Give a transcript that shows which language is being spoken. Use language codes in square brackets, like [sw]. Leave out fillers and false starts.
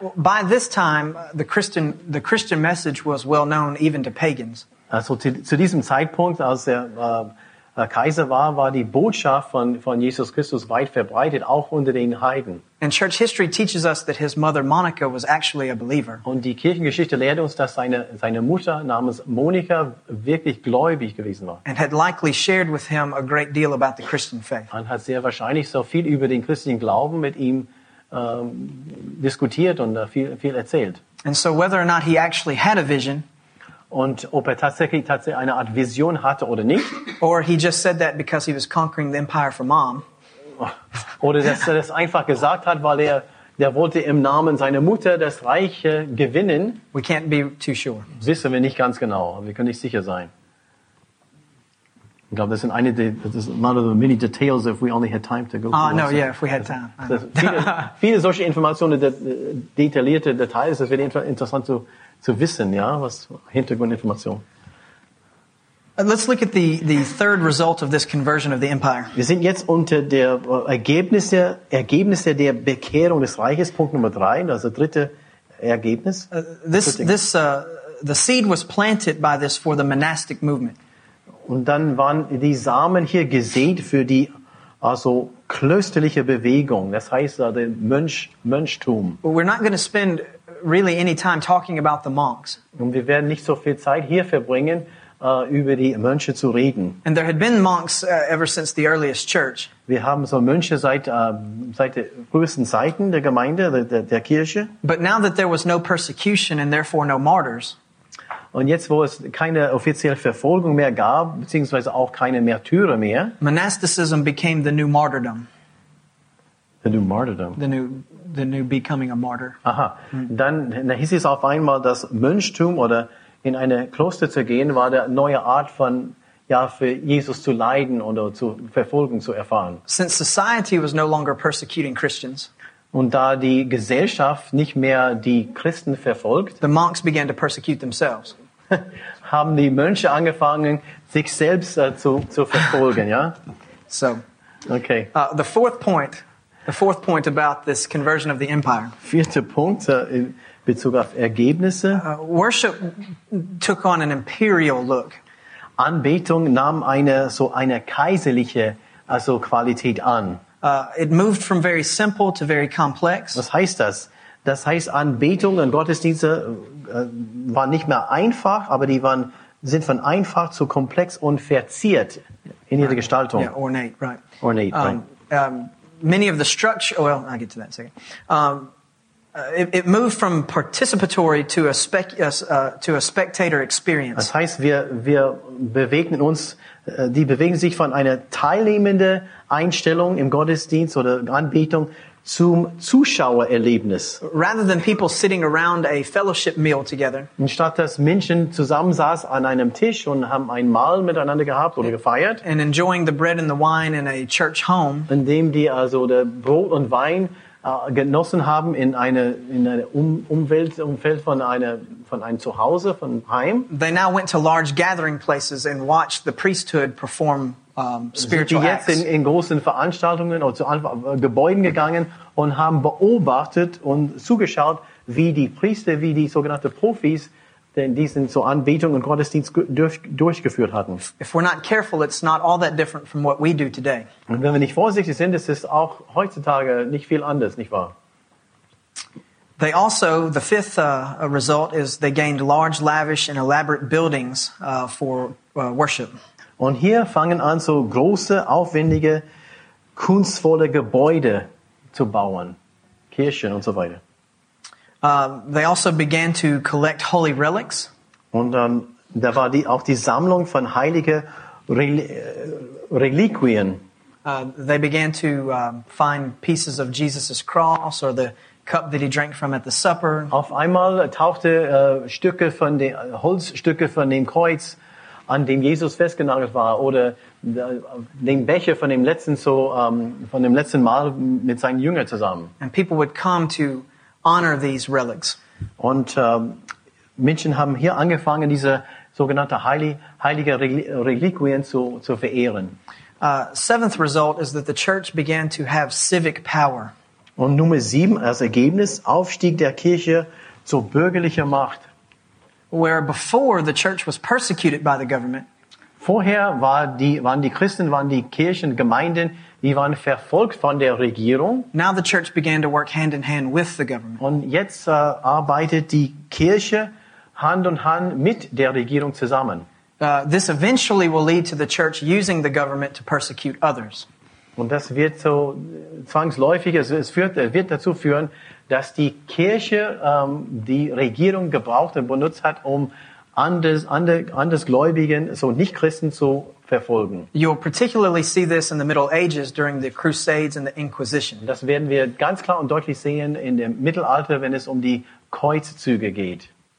[en] Well, by this time, the Christian message was well known even to pagans. [de] So zu diesem Zeitpunkt, als er Kaiser war die Botschaft von Jesus Christus weit verbreitet, auch unter den Heiden. [en] And church history teaches us that his mother Monica was actually a believer. [de] Und die Kirchengeschichte lehrt uns, dass seine Mutter namens Monika wirklich gläubig gewesen war. [en] And had likely shared with him a great deal about the Christian faith. [de] Und hat sehr wahrscheinlich so viel über den christlichen Glauben mit ihm diskutiert und viel erzählt. [en] And so whether or not he actually had a vision. [de] Und ob er tatsächlich eine Art Vision hatte oder nicht. [en] Or he just said that because he was conquering the empire for mom. [de] Oder dass er das einfach gesagt hat, weil er wollte im Namen seiner Mutter das Reich gewinnen. [en] We can't be too sure. [de] Wissen wir nicht ganz genau, wir können nicht sicher sein. Ich glaube, das sind eine der, das ist [en] one of the many details, if we only had time to go through. If we had time. [de] Viele solche Informationen, detaillierte Details, das wäre interessant zu wissen, ja, was Hintergrundinformationen. [en] Let's look at the third result of this conversion of the empire. [de] Wir sind jetzt unter der Ergebnisse der Bekehrung des Reiches, Punkt Nummer 3, also dritte Ergebnis. [en] The seed was planted by this for the monastic movement. [de] Und dann waren die Samen hier gesät für die also klösterliche Bewegung, das heißt also der Mönchtum. [en] We're not going to spend really any time talking about the monks. [de] Und wir werden nicht so viel Zeit hier verbringen, über die Mönche zu reden. [en] And there had been monks ever since the earliest church. [de] Wir haben so Mönche seit den frühesten Zeiten der Gemeinde, der Kirche. [en] But now that there was no persecution and therefore no martyrs. [de] Und jetzt, wo es keine offizielle Verfolgung mehr gab, beziehungsweise auch keine Märtyrer mehr. [en] Monasticism became the new martyrdom. The new martyrdom. The new becoming a martyr. Aha. [de] Dann hieß es auf einmal, dass Mönchtum oder in eine Kloster zu gehen, war der neue Art von, ja, für Jesus zu leiden oder zu verfolgen zu erfahren. [en] Since society was no longer persecuting Christians. [de] Und da die Gesellschaft nicht mehr die Christen verfolgt. [en] The monks began to persecute themselves. [de] Haben die Mönche angefangen, sich selbst zu verfolgen, ja? So. Okay. [en] The fourth point about this conversion of the empire. [de] Vierter Punkt, Bezug auf Ergebnisse. [en] Worship took on an imperial look. [de] Anbetung nahm eine kaiserliche also Qualität an. [en] It moved from very simple to very complex. [de] Was heißt das? Das heißt, Anbetung und Gottesdienste waren nicht mehr einfach, aber die sind von einfach zu komplex und verziert in ihrer Gestaltung. [en] Yeah, ornate, right. Ornate, right. Many of the structure. Well, I'll get to that in a second. It moved from participatory to a spectator experience. [de] Das heißt, wir bewegen uns, die bewegen sich von einer teilnehmenden Einstellung im Gottesdienst oder Anbetung zum Zuschauererlebnis. [en] Rather than people sitting around a fellowship meal together. [de] Anstatt dass Menschen zusammensaßen an einem Tisch und haben ein Mahl miteinander gehabt oder gefeiert. [en] And enjoying the bread and the wine in a church home. [de] Indem die also der Brot und Wein genossen haben in eine Umfeld von einem Zuhause, von Heim. [en] They now went to large gathering places and watched the priesthood perform spiritual acts. [de] Sie sind jetzt in großen Veranstaltungen oder zu Gebäuden gegangen und haben beobachtet und zugeschaut, wie die Priester, wie die sogenannten Profis, denn diesen zur Anbetung und Gottesdienst durchgeführt hatten. [en] If we're not careful, it's not all that different from what we do today. [de] Und wenn wir nicht vorsichtig sind, ist es auch heutzutage nicht viel anders, nicht wahr? [en] They also, the fifth result is they gained large, lavish and elaborate buildings for worship. [de] Und hier fangen an, so große, aufwendige, kunstvolle Gebäude zu bauen. Kirchen und so weiter. [en] They also began to collect holy relics. [de] Und dann da war auch die Sammlung von heiligen Reliquien. [en] They began to find pieces of Jesus' cross or the cup that he drank from at the supper. [de] Auf einmal tauchte Holzstücke von dem Kreuz, an dem Jesus festgenagelt war, oder den Becher von dem letzten Mal mit seinen Jüngern zusammen. [en] And people would come to honor these relics. [de] Und Menschen haben hier angefangen, diese sogenannte heilige Reliquien zu verehren. [en] Seventh result is that the church began to have civic power. [de] Und Nummer 7 als Ergebnis, Aufstieg der Kirche zur bürgerlichen Macht. [en] Where before the church was persecuted by the government. [de] Vorher waren die Kirchen, Gemeinden, die waren verfolgt von der Regierung. [en] Now the church began to work hand in hand with the government. [de] Und jetzt arbeitet die Kirche Hand in Hand mit der Regierung zusammen. [en] This eventually will lead to the church using the government to persecute others. [de] Und das wird so zwangsläufig, es wird dazu führen, dass die Kirche die Regierung gebraucht und benutzt hat, um Andersgläubigen, so Nichtchristen zu verfolgen. [en] You'll particularly see this in the Middle Ages during the Crusades and the Inquisition. [de] Das werden wir ganz klar und deutlich sehen in dem Mittelalter, wenn es um die Kreuzzüge geht.